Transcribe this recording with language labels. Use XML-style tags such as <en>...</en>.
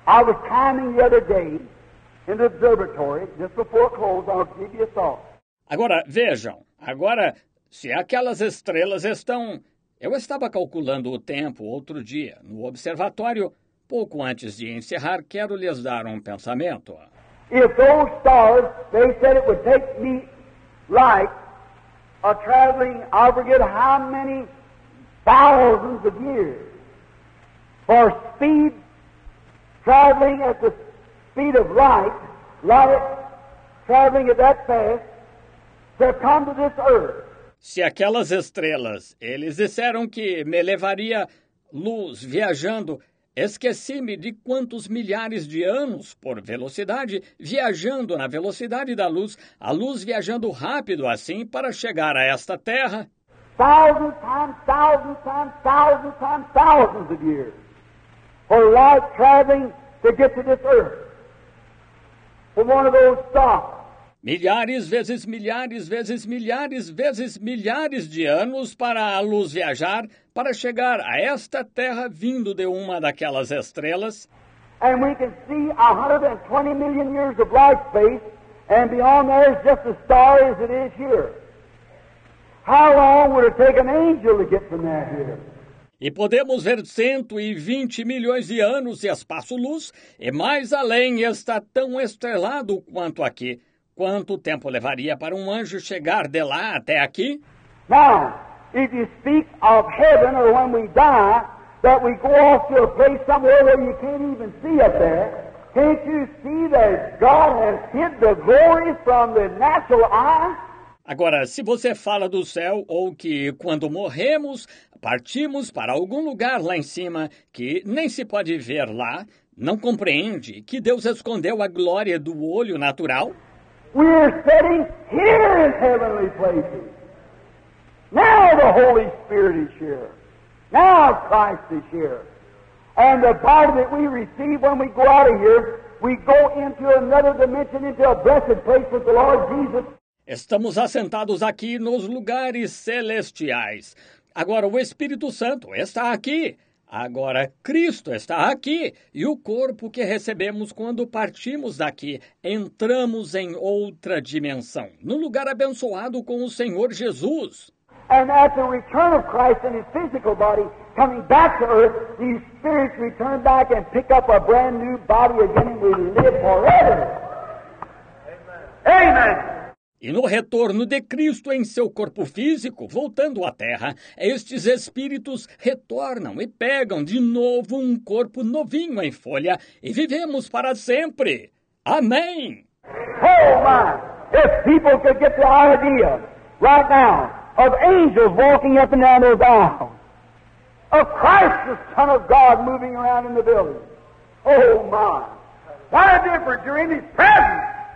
<en>I was climbing the other day in the observatory, just before close, I'll give you a thought.</en> <pt>Agora, vejam. Agora... Se aquelas estrelas estão... Eu estava calculando o tempo outro dia, no observatório, pouco antes de encerrar, quero lhes dar um pensamento.</pt> <en>If those stars, they said it would take me like a traveling, I forget how many thousands of years, for speed, traveling at the speed of light, light traveling at that fast, to come to this earth.</en> <pt>Se aquelas estrelas, eles disseram que me levaria luz viajando, esqueci-me de quantos milhares de anos por velocidade, viajando na velocidade da luz, a luz viajando rápido assim para chegar a esta Terra.</pt> <en>Thousands times, thousands times, thousands times, thousands of years for light traveling to get to this earth from one of those stars.</en> <pt>Milhares vezes milhares vezes milhares vezes milhares de anos para a luz viajar, para chegar a esta Terra vindo de uma daquelas estrelas.</pt> <en>And we can see 120 million years of life space, and beyond there is just as star as it is here. How long would it take an angel to get from there here?</en> <pt>E podemos ver 120 milhões de anos de espaço-luz, e mais além está tão estrelado quanto aqui. Quanto tempo levaria para um anjo chegar de lá até aqui?</pt> <en>Now, if you speak of heaven or when we die, that we go off to a place somewhere where you can't even see up there, can't you see that God has hid the glory from the natural eye?</en> <pt>Agora, se você fala do céu ou que quando morremos, partimos para algum lugar lá em cima que nem se pode ver lá, não compreende que Deus escondeu a glória do olho natural?</pt> <en>We are sitting here in heavenly places. Now the Holy Spirit is here. Now Christ is here. And the body that we receive when we go out of here, we go into another dimension, into a blessed place with the Lord Jesus.</en> <pt>Estamos assentados aqui nos lugares celestiais. Agora o Espírito Santo está aqui. Agora Cristo está aqui. E o corpo que recebemos quando partimos daqui, entramos em outra dimensão, no lugar abençoado com o Senhor Jesus.</pt> <en>And at the return of Christ in his physical body, coming back to earth, these spirits return back and pick up a brand new body again and we live forever. Amen. Amen.</en> <pt>E no retorno de Cristo em seu corpo físico, voltando à Terra, estes espíritos retornam e pegam de novo um corpo novinho em folha e vivemos para sempre. Amém!</pt> <en>Oh, my! If people could get the idea right now of angels walking up and down those aisles, of Christ, the Son of God, moving around in the building. Oh, my! What a difference during his presence!</en>